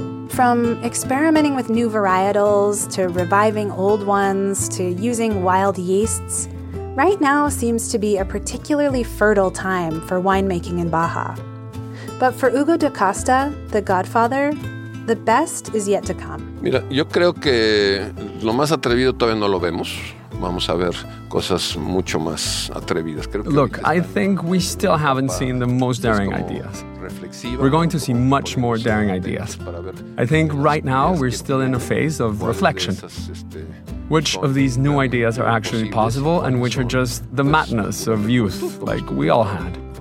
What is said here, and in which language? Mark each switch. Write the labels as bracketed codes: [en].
[en] From experimenting with new varietals to reviving old ones to using wild yeasts, right now seems to be a particularly fertile time for winemaking in Baja. But for Hugo da Costa, the godfather, the best is yet to come. [es] Mira, yo creo que lo más atrevido todavía no lo vemos. Vamos a ver cosas mucho más atrevidas. [en] Look, I think we still haven't seen the most daring ideas. We're going to see much more daring ideas. I think right now we're still in a phase of reflection. Which of these new ideas are actually possible and which are just the madness of youth like we all had.